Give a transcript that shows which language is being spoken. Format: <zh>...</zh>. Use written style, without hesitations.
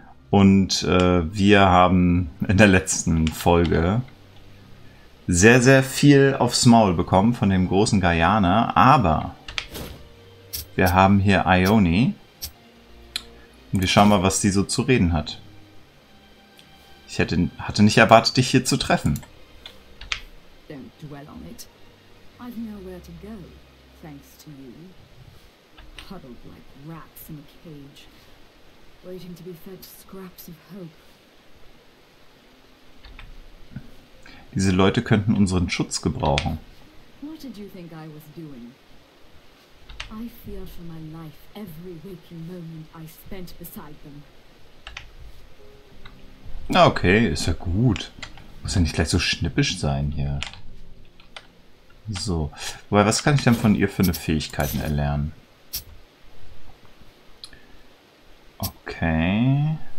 <de>Und wir haben in der letzten Folge sehr, sehr viel aufs Maul bekommen von dem großen Gaianer, aber wir haben hier Ioni und wir schauen mal, was die so zu reden hat. Ich hatte nicht erwartet, dich hier zu treffen.</de> <en>Don't dwell on it. I've nowhere to go, thanks to you. Huddled like rats in a cage, waiting to be fed scraps of hope.</en> <de>Diese Leute könnten unseren Schutz gebrauchen.</de> <en>What did you think I was doing? I feared for my life every waking moment I spent beside them.</en> <de>Okay, ist ja gut. Muss ja nicht gleich so schnippisch sein hier. So, wobei, was kann ich denn von ihr für eine Fähigkeiten erlernen? Okay.</de>